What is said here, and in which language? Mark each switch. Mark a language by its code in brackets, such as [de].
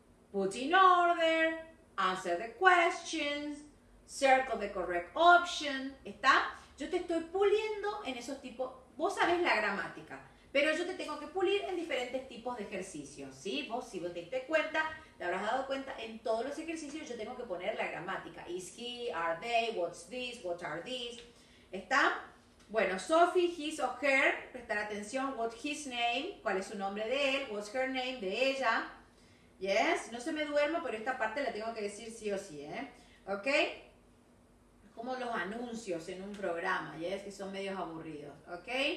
[en] Put in order, answer the questions, circle the correct option, ¿está? [es] Yo te estoy puliendo en esos tipos, vos sabés la gramática, pero yo te tengo que pulir en diferentes tipos de ejercicios, ¿sí? Vos, si vos te diste cuenta, te habrás dado cuenta, en todos los ejercicios yo tengo que poner la gramática. [en] Is he, are they, what's this, what are these, ¿está? [es] Bueno, Sophie, his or her, prestar atención, [en] what's his name, [es] cuál es su nombre de él, [en] what's her name, [es] de ella, yes, no se me duerma, pero esta parte la tengo que decir sí o sí, ¿eh? ¿Ok? Como los anuncios en un programa, [en] yes, [es] que son medios aburridos, ¿ok?